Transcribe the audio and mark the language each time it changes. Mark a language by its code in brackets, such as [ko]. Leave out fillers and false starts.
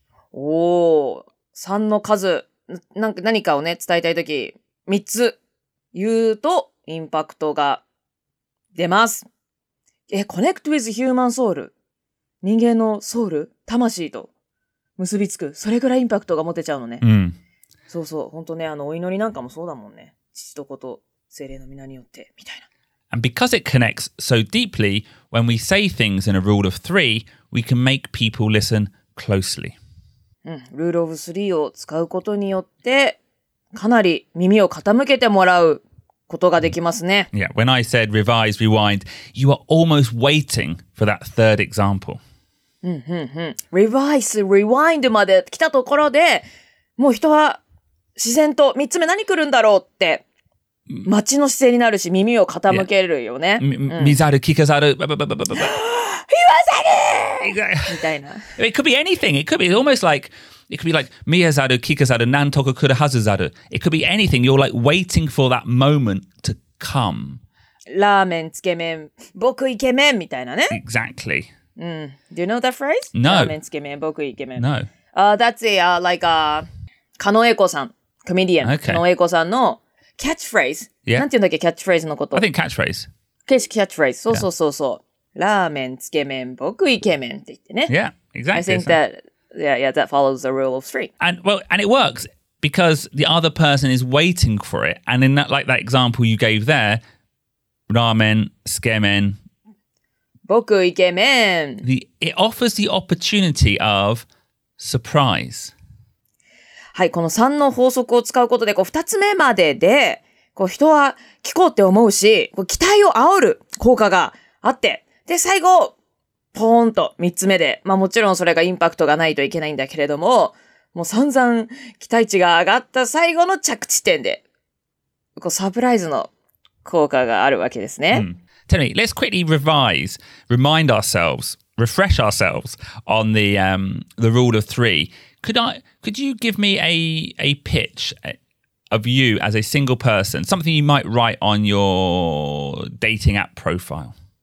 [ja] おー、三の数、なんか何かをね、伝えたいとき、三つ言うとインパクトが出ます。 [en] え、connect with human soul. [ja] 人間のソウル、魂と結びつく、それぐらいインパクトが持てちゃうのね。うん。そうそう、本当ね、あのお祈りなんかもそうだもんね。父と子と聖霊の御名によってみたいな。 [en] And because it connects so deeply, when we say things in a rule of three, we can make people listen closely. [ja] うん、ルールオブスリーを使うことによってかなり耳を傾けてもらうことができますね。 [en] Yeah, when I said revise, rewind, you are almost waiting for that third example. Revise, rewind [ja] まで来たところで、もう人は自然と3つ目何来るんだろうって、待ちの姿勢になるし、耳を傾けるよね。見ざる、聞かざる、ばばばばばば。言わざるみたいな。 [en] It could be anything. It could be almost like... It could be like, [ja] 見えざる、聞かざる、なんとか来るはずざる。 [en] It could be anything. You're like waiting for that moment to come. [ja] ラーメン、つけ麺、僕イケメンみたいなね。 [en] Exactly.、 Mm. Do you know that phrase? No. [ja] ラーメン、つけ麺、僕イケメン。 [en] No. That's a, like a, カノエコさん、コメディアン。 Okay. [ja] カノエコさんのキャッチフレーズ。 [en] Yeah. [ja] なんて言うんだっけ、キャッチフレーズのこと。 [en] I think キャッチフレーズ。 [ja] 形式キャッチフレーズ。そうそうそうそう。ラーメン、つけ麺、僕イケメンって言ってね。 [en] Yeah, exactly. I think that... Yeah, yeah, that follows the rule of three. And, well, and it works because the other person is waiting for it. And in that, like that example you gave there, ramen, tsukemen. [ja] 僕イケメン. [en] It offers the opportunity of surprise. [ja] はい、この3の法則を使うことで、こう2つ目までで、こう人は聞こうって思うし、こう期待を煽る効果があって、で、最後、ポーンと三つ目で、まあもちろんそれがインパクトがないといけないんだけれども、もう散々期待値が上がった最後の着地点で、こうサプライズの効果があるわけですね。 Mm. [en] Tell me, let's quickly revise, remind ourselves, refresh ourselves on the, the rule of three. Could you give me a pitch of you as a single person, something you might write on your dating app profile?